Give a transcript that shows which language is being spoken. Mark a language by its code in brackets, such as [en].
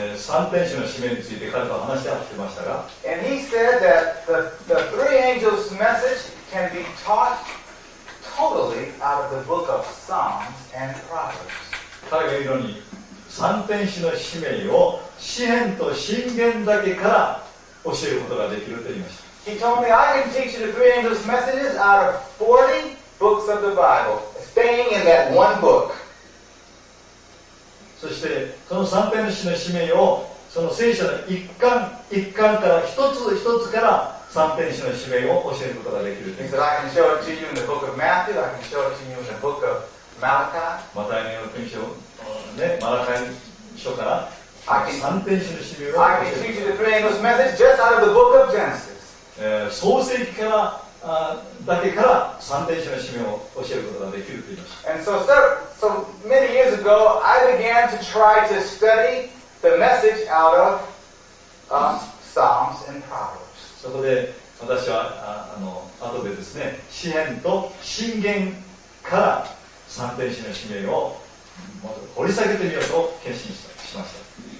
[ja] 三天使の使命について彼と話し合ってましたが、 [en] And he said that the three angels' message can be taught totally out of the book of Psalms and Proverbs. [ja] 彼が言うように、三天使の使命を詩編と箴言だけから教えることができると言いました。 [en] He told me I can teach you the three angels' messages out of 40 books of the Bible, staying in that one book. [ja] そしてその三天使の使命をその聖書の一巻一巻から一つ一つから三天使の使命を教えることができる。 [en] He said, I can show it to you in the book of Matthew. I can show it to you in the book of Malachi. [ja] マタイの福音書、ね、マラカイ書から三天使の使命を教えます。 [en] I can teach you the three angels message just out of the book of Genesis. [ja] 創世記からだけから三天使の使命を教えることができると言いました。 [en] And so many years ago, I began to try to study the message out of Psalms and Proverbs. [ja] そこで私は後でですね、詩編と箴言から三天使の使命をもっと掘り下げてみようと決心しました。